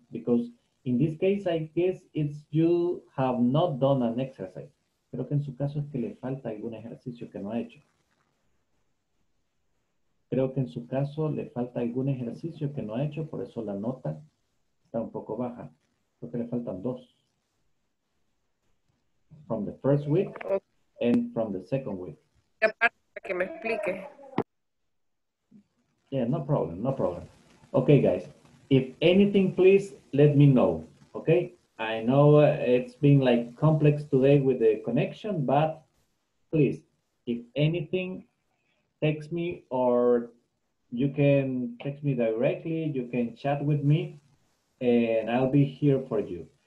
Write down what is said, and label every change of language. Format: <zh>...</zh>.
<en>Because in this case, I guess it's you have not done an exercise.</en> <es>Creo que en su caso es que le falta algún ejercicio que no ha hecho. Creo que en su caso le falta algún ejercicio que no ha hecho, por eso la nota está un poco baja. Creo que le faltan dos.</es> <en>From the first week and from the second week.</en> <es>Y aparte que me explique.</es> <en>Yeah, no problem, no problem. Okay, guys. If anything, please let me know, okay? I know it's been like complex today with the connection, but please, if anything, text me or you can text me directly, you can chat with me and I'll be here for you.</en>